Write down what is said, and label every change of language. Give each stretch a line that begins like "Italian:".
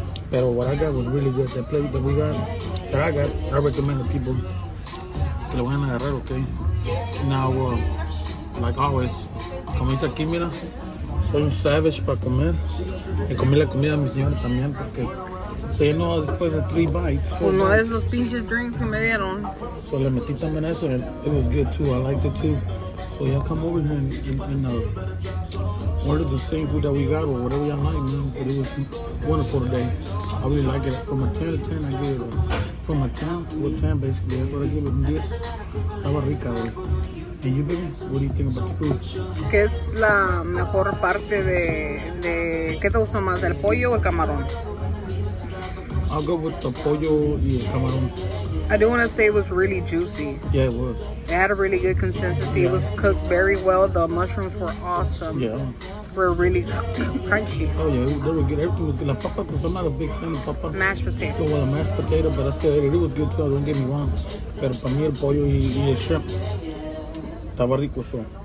English: Pero what I got was really good. The plate that we got, that I got, I recommend the people
Spanish: que lo vayan a agarrar,
English: ok? Now, like always,
Spanish: como dice aquí, mira, soy un savage para comer. Y comí la comida de mi señora también porque... Se llenó después de 3 bites. Uno de esos pinches drinks que me dieron.
English: So
Spanish: le metí también eso.
English: It was good too. I liked it too. So y'all come over here and order the same food that we got or whatever y'all like, man. But it was wonderful today. I really like it. From a 10 to 10, I give it. From a 10 to a 10, basically. That's what I give it. And yes,
Spanish: estaba rica,
English: bro. And you, baby, what do you think about the food?
Spanish: ¿Qué es la mejor parte de qué te gusta más, el pollo o el camarón?
English: I'll go with the
Spanish: pollo y el camarón.
English: I do want to say it was really juicy. Yeah, it was. It had a really good consistency. Yeah. It was cooked very well. The mushrooms were awesome. Yeah. Were really crunchy. Oh, yeah. They were good. Everything was good.
Spanish: La papa,
English: because I'm not a big fan of papa. Mashed potato. Well, the mashed potato, but I still ate it. It was good, too. Don't get me wrong.
Spanish: Pero para mí el pollo y el shrimp estaba rico, so.